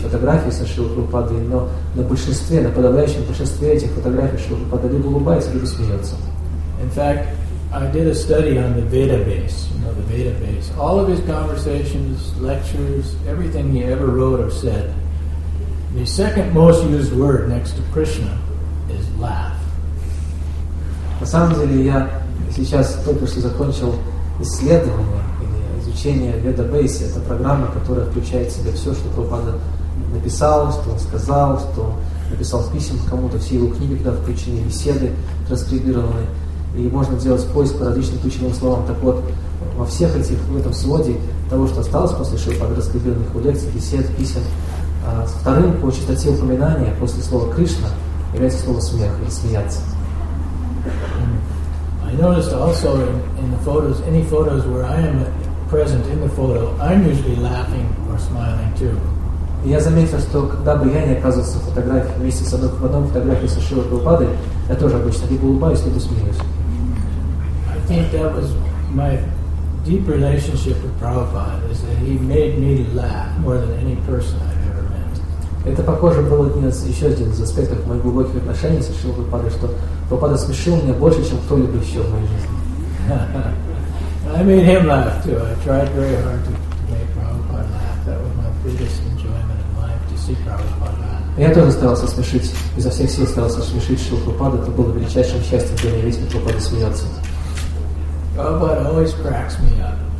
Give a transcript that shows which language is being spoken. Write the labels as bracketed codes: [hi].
[ru] фотографий со Шрилы Прабхупады, но на подавляющем большинстве этих фотографий Шрилы Прабхупады либо улыбается, либо смеется. [en] In fact, I did a study on the Veda base, you know, the Veda base. All of his conversations, lectures, everything he ever wrote or said. The second most used word next to Krishna is laugh. [ru] На самом деле, я сейчас только что закончил исследование или изучение Veda Base. Это программа, которая включает в себя все, что Прабхупада написал, что он сказал, что написал в письмах кому-то, все его книги туда включены, беседы транскрибированы. И можно делать поиск по различным ключевым словам. Так вот, во всех этих, в этом своде того, что осталось после Шрилы транскрибированных его лекций, бесед, писем, вторым по частоте упоминания после слова «Кришна» является слово «смех» или «смеяться». [en] I noticed also in the photos, any photos where I am present in the photo, I'm usually laughing or smiling too. [ru] Я заметил, что когда бы я не оказывался в фотографии вместе с одной фотографией со Шрилой Прабхупадой, я тоже обычно либо улыбаюсь, либо смеюсь. [en] I think that was my deep relationship with Prabhupada, is that he made me laugh more than any person I've. [ru] Это, похоже, был еще один из аспектов моих глубоких отношений со Шрилой Прабхупадой, что Прабхупада смешил меня больше, чем кто-либо еще в моей жизни. [en] I made him laugh too. I tried very hard to make Prabhupada laugh. That was my biggest enjoyment in life, to see Prabhupada laugh. [ru] Я тоже старался смешить, изо всех сил старался смешить Шрилу Прабхупаду. Это было величайшим счастьем для меня видеть, как Прабхупада смеется. [en] Prabhupada always cracks me up.